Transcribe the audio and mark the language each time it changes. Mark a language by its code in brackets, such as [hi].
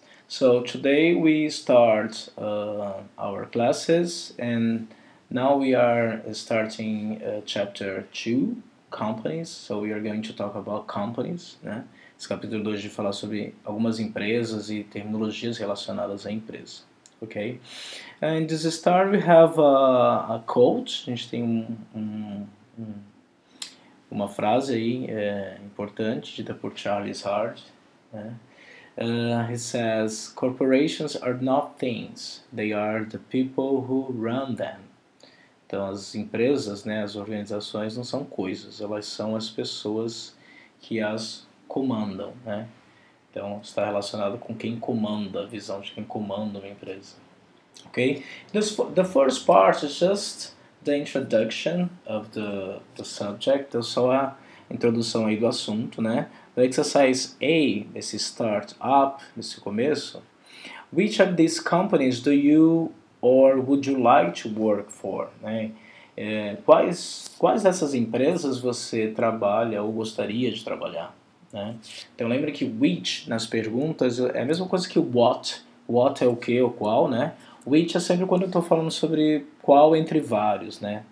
[en] So today we start our classes, and now we are starting chapter 2, companies. So we are going to talk about companies, [pt] né? Esse capítulo 2 de falar sobre algumas empresas e terminologias relacionadas à empresa. [en] Okay, and this start we have a quote. [pt] A gente tem uma frase aí importante dita por Charles Hart, né? [en] He says, "Corporations are not things; they are the people who run them." [pt] Então, as empresas, né, as organizações, não são coisas; elas são as pessoas que as comandam, né? Então, está relacionado com quem comanda, a visão de quem comanda uma empresa. [en] Okay, the first part is just the introduction of the subject. [pt] Então, só a introdução aí do assunto, né? No exercise A, esse start up, esse começo. [en] Which of these companies do you or would you like to work for? [pt] Né? Quais dessas empresas você trabalha ou gostaria de trabalhar? Né? Então, lembra que which nas perguntas é a mesma coisa que what. What é o que ou qual, né? Which é sempre quando eu estou falando sobre qual entre vários, né?